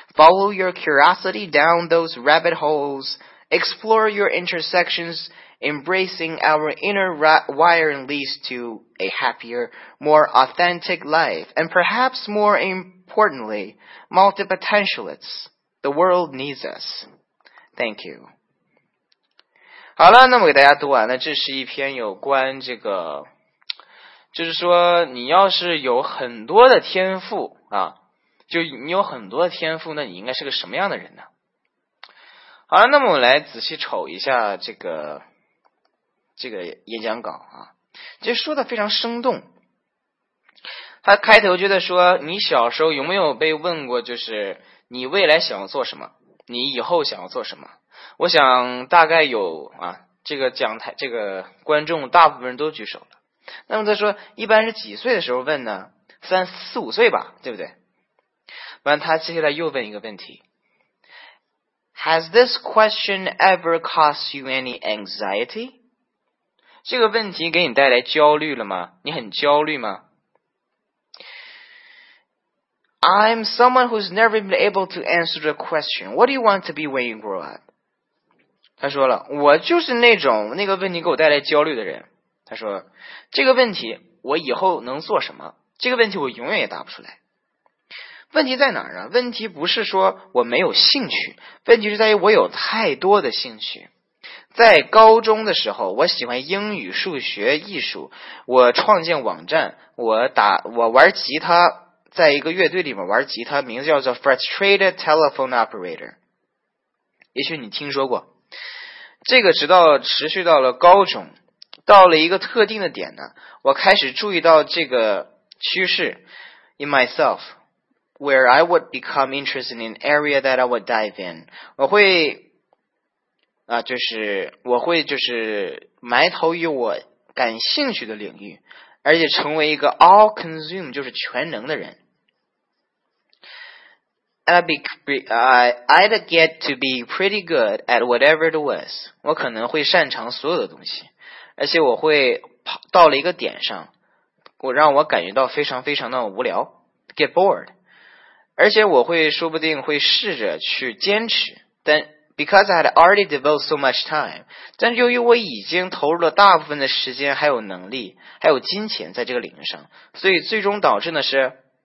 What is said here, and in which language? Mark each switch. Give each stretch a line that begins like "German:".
English: Follow your curiosity down those rabbit holes. Explore your intersections. Embracing our inner wiring leads to a happier, more authentic life. And perhaps more importantly, multipotentialists. The world needs us. Thank you.
Chinese: 好了，那么给大家读完了，这是一篇有关这个，就是说你要是有很多的天赋啊，就你有很多的天赋，那你应该是个什么样的人呢？好了，那么我来仔细瞅一下这个演讲稿啊，就说的非常生动。他开头就在说，你小时候有没有被问过，就是你未来想要做什么，你以后想要做什么？我想大概有啊，这个讲台这个观众大部分人都举手了。那么他说，一般是几岁的时候问呢？三四五岁吧，对不对？完，他接下来又问一个问题。
English: Has this question ever caused you any anxiety?
Chinese: 这个问题给你带来焦虑了吗？你很焦虑吗？
English: I'm someone who's never been able to answer the question. What do you want to be when you grow up?
Chinese: 他说了，我就是那种那个问题给我带来焦虑的人。他说，这个问题我以后能做什么？这个问题我永远也答不出来。问题在哪儿啊？问题不是说我没有兴趣，问题是在于我有太多的兴趣。在高中的时候，我喜欢英语、数学、艺术，我创建网站，我玩吉他，在一个乐队里面玩吉他，名字叫做 Frustrated Telephone Operator， 也许你听说过。这个直到持续到了高中，到了一个特定的点呢，我开始注意到这个趋势
English: in myself where I would become interested in area that I would dive in，
Chinese: 我会就是我会就是埋头于我感兴趣的领域，而且成为一个
English: all consume
Chinese: 就是全能的人。
English: And I'd get to be pretty good at whatever it was.
Chinese: 我可能会擅长所有的东西，而且我会到了一个点上，我让我感觉到非常非常的无聊 ，
English: get bored。
Chinese: 而且我会说不定会试着去坚持，但
English: because I had already devoted so much time，
Chinese: 但是由于我已经投入了大部分的时间、还有能力、还有金钱在这个领域上，所以最终导致的是。